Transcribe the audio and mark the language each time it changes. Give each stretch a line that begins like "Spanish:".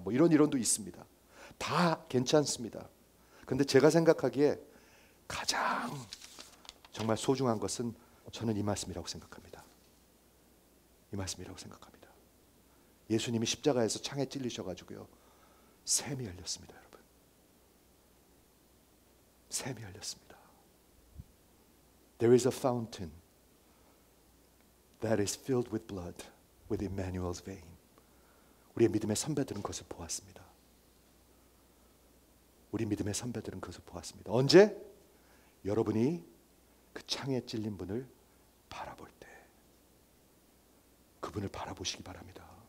Korean: 뭐 이런 이론도 있습니다. 다 괜찮습니다. 그런데 제가 생각하기에 가장 정말 소중한 것은 저는 이 말씀이라고 생각합니다. 이 말씀이라고 생각합니다. 예수님이 십자가에서 창에 찔리셔가지고요. 샘이 열렸습니다, 여러분. 샘이 열렸습니다.
English: There is a fountain that is filled with blood with Emmanuel's vein.
Korean: 우리의 믿음의 선배들은 그것을 보았습니다. 우리 믿음의 선배들은 그것을 보았습니다. 언제? 여러분이 그 창에 찔린 분을 바라볼 때. 그분을 바라보시기 바랍니다.